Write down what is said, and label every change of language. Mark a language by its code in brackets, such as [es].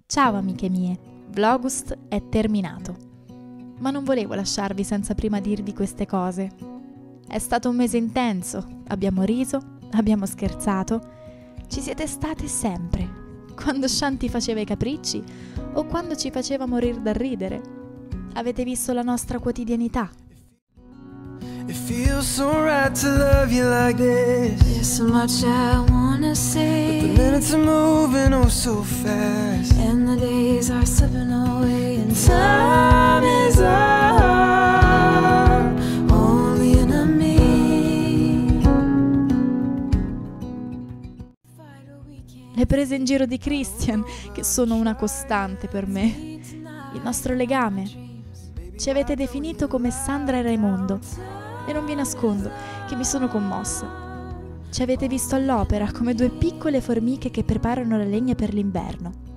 [it] Ciao amiche mie, Vlogust è terminato. Ma non volevo lasciarvi senza prima dirvi queste cose. È stato un mese intenso, abbiamo riso, abbiamo scherzato. Ci siete state sempre, quando Shanti faceva i capricci o quando ci faceva morire dal ridere. Avete visto la nostra quotidianità. [en] It feels so right to love you like this. There's so much I wanna say. But the minutes are moving oh so fast. And the days are slipping away. And time is our only enemy. [it] Le prese in giro di Christian, che sono una costante per me. Il nostro legame. Ci avete definito come Sandra e Raimondo. E non vi nascondo che mi sono commossa. Ci avete visto all'opera come due piccole formiche che preparano la legna per l'inverno.